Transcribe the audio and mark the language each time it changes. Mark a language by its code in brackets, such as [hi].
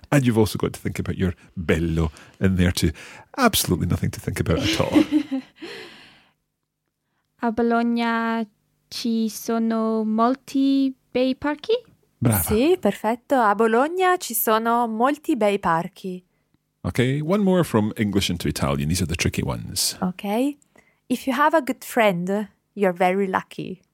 [en] And you've also got to think about your bello in there too. Absolutely nothing to think about at all. [it] A Bologna ci sono molti bei parchi? Brava. Sì, perfetto. A Bologna ci sono molti bei parchi. [en] Okay, one more from English into Italian. These are the tricky ones. Okay. If you have a good friend, you're very lucky.